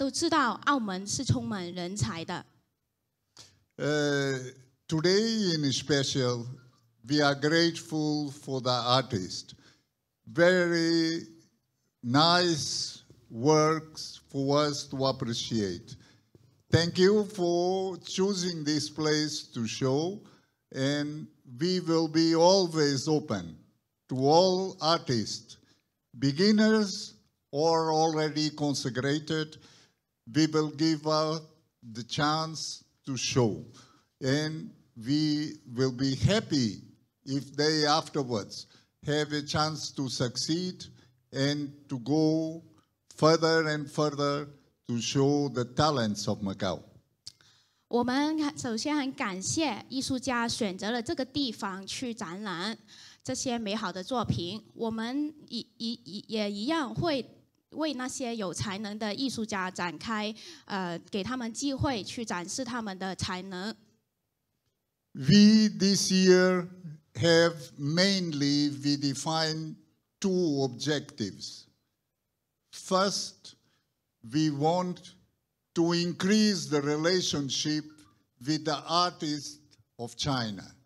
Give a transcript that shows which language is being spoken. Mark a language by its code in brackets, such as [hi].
[zh] 关乐仪基金会的大门经常都为了那些有才能的人打开，让大家都知道澳门是充满人才的. [en] Today in special, we are grateful for the artist. Very nice works for us to appreciate. Thank you for choosing this place to show, and we will be always open to all artists, beginners or already consecrated. We will give us the chance to show, and we will be happy if they afterwards have a chance to succeed and to go further and further to show the talents of Macau. [zh] 我们首先很感谢艺术家选择了这个地方去展览, 这些美好的作品，我们也一样会为那些有才能的艺术家展开，给他们机会去展示他们的才能。 [en] We this year have mainly we define two objectives. First, we want to increase the relationship with the artists of China.